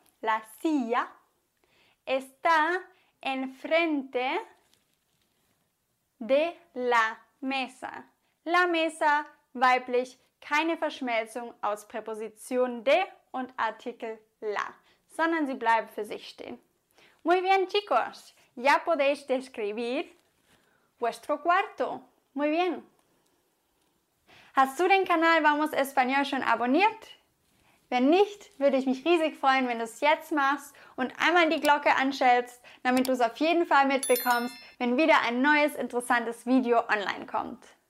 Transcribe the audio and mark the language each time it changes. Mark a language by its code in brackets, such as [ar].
[es] La silla está enfrente de la mesa. [de] La mesa, weiblich, keine Verschmelzung aus Präposition de und Artikel la, sondern sie bleiben für sich stehen. [es] Muy bien, chicos. Ya podéis describir vuestro cuarto. Muy bien. [de] Hast du den Kanal Vamos Español schon abonniert? Wenn nicht, würde ich mich riesig freuen, wenn du es jetzt machst und einmal die Glocke anschaltest, damit du es auf jeden Fall mitbekommst, wenn wieder ein neues, interessantes Video online kommt.